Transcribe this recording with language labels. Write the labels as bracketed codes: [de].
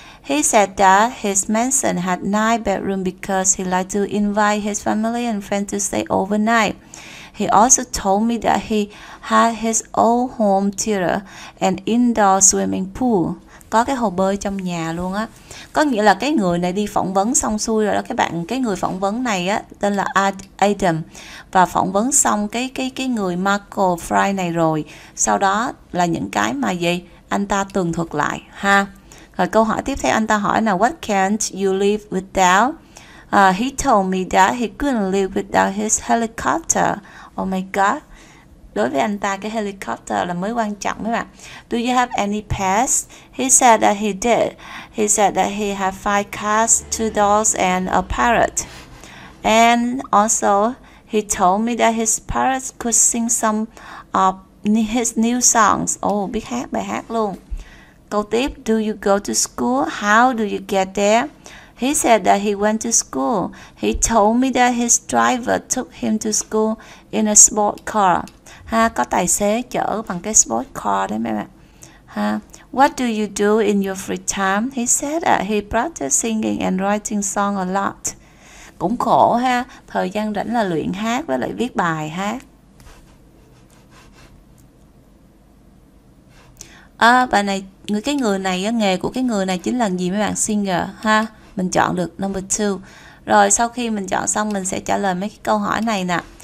[en] He said that his mansion had 9 bedrooms because he liked to invite his family and friends to stay overnight. He also told me that he had his old home theater and indoor swimming pool. [vi] Có cái hồ bơi trong nhà luôn á. Có nghĩa là cái người này đi phỏng vấn xong xuôi rồi đó các bạn. Cái người phỏng vấn này á tên là Adam, và phỏng vấn xong cái người Marco Fry này rồi, sau đó là những cái mà gì anh ta tường thuật lại ha. Rồi câu hỏi tiếp theo anh ta hỏi là [en] what can't you live without? He told me that he couldn't live without his helicopter. Oh my god. [vi] Đối với anh ta, cái helicopter là mới quan trọng mấy bạn. [en] Do you have any pets? He said that he did. He said that he had 5 cats, 2 dogs and a parrot. And also, he told me that his parrot could sing some of his new songs. [vi] Oh, biết hát bài hát luôn. Câu tiếp, [en] do you go to school? How do you get there? He said that he went to school. He told me that his driver took him to school in a sport car. [vi] Ha, có tài xế chở bằng cái sport car đấy mấy bạn. Ha. [en] What do you do in your free time? He said that he practiced singing and writing song a lot. [vi] Cũng khổ ha, thời gian rảnh là luyện hát với lại viết bài hát. À, bài này người cái người này nghề của cái người này chính là gì mấy bạn? Singer ha. Mình chọn được number 2. Rồi sau khi mình chọn xong mình sẽ trả lời mấy cái câu hỏi này nè.